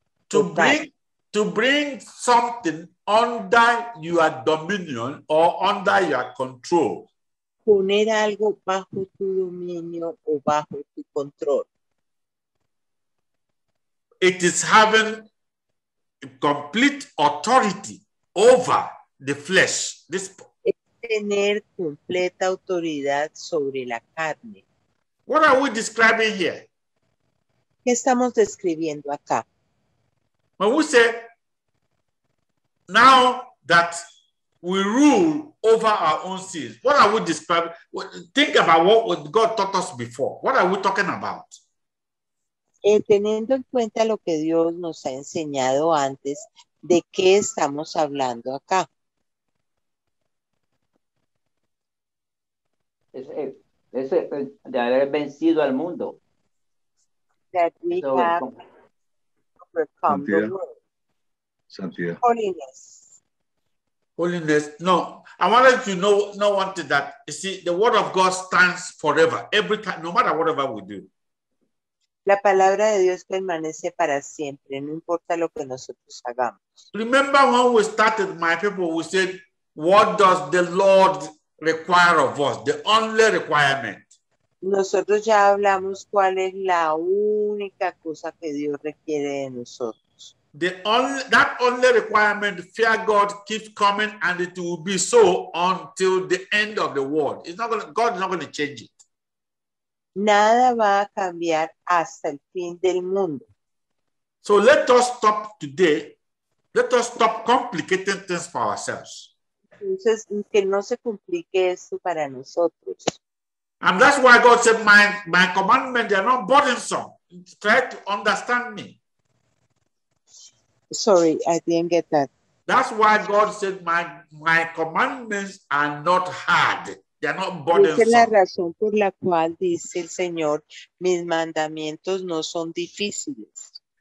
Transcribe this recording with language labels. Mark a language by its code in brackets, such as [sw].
[en] To bring something under your dominion or under your control. [es] Poner algo bajo tu dominio o bajo tu control. [en] It is having complete authority over the flesh. This [es] es tener completa autoridad sobre la carne. [en] What are we describing here? [es] ¿Qué estamos describiendo acá? [en] When we say, now that we rule over our own sins, what are we describing? Think about what God taught us before. What are we talking about? [es] Teniendo en cuenta lo que Dios nos ha enseñado antes, ¿de qué estamos hablando acá? Es de haber vencido al mundo. [en] That we so, have overcome the world. [es] Santidad. [en] Holiness. No, I wanted to know one thing that, you see, the word of God stands forever, every time, no matter whatever we do. [es] La palabra de Dios permanece para siempre, no importa lo que nosotros hagamos. [en] Remember when we started, my people, we said, what does the Lord require of us? The only requirement. [es] Nosotros ya hablamos cuál es la única cosa que Dios requiere de nosotros. [en] That only requirement, fear God, keeps coming, and it will be so until the end of the world. God is not going to change it. [es] Nada va a cambiar hasta el fin del mundo. [en] So let us stop today. Let us stop complicating things for ourselves. [es] Entonces, que no se complique esto para nosotros. [en] And that's why God said, my commandments are not burdensome. Try to understand me. Sorry, I didn't get that. That's why God said, my commandments are not hard. They're not burdensome. [es] Esa es la razón por la cual dice el Señor, mis mandamientos no son difíciles.